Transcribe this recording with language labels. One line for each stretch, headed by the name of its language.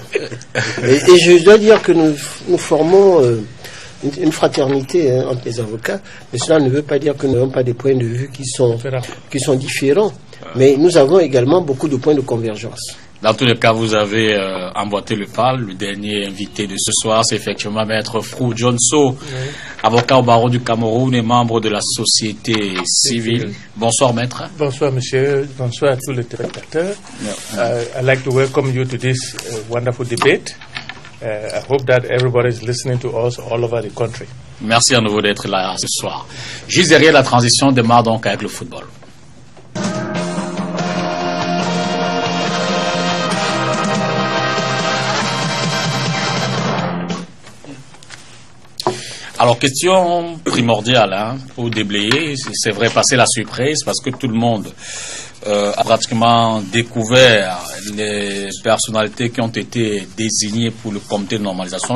French: Et je dois dire que nous formons une fraternité, hein, entre les avocats, mais cela ne veut pas dire que nous n'avons pas des points de vue qui sont différents, mais nous avons également beaucoup de points de convergence. Dans tous les cas, vous avez emboîté le pas. Le dernier invité de ce soir, c'est effectivement Maître Frou Djonso, oui. Avocat au barreau du Cameroun et membre de la société civile. Bonsoir, Maître. Bonsoir, monsieur. Bonsoir à tous les téléspectateurs.
English: I'd like to welcome you to this wonderful debate. I hope that everybody is listening to us all over the country.
French: Merci à nouveau d'être là ce soir. Juste derrière, la transition démarre donc avec le football. Alors, question primordiale, hein, pour déblayer, c'est vrai, passer la surprise, parce que tout le monde a pratiquement découvert les personnalités qui ont été désignées pour le comité de normalisation.